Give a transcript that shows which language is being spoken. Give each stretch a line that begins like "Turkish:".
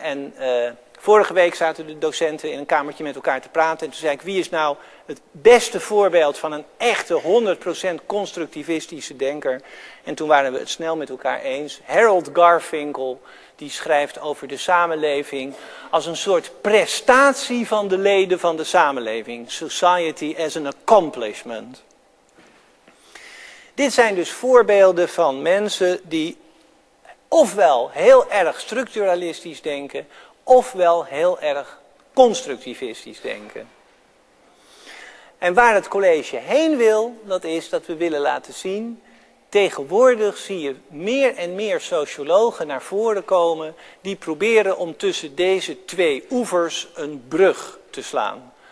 Dutch: En vorige week zaten de docenten in een kamertje met elkaar te praten en toen zei ik, wie is nou het beste voorbeeld van een echte 100% constructivistische denker? En toen waren we het snel met elkaar eens. Harold Garfinkel, die schrijft over de samenleving als een soort prestatie van de leden van de samenleving.
English: Society as an accomplishment.
Dutch: Dit zijn dus voorbeelden van mensen die ofwel heel erg structuralistisch denken, ofwel heel erg constructivistisch denken. En waar het college heen wil, dat is dat we willen laten zien, tegenwoordig zie je meer en meer sociologen naar voren komen die proberen om tussen deze twee oevers een brug te slaan.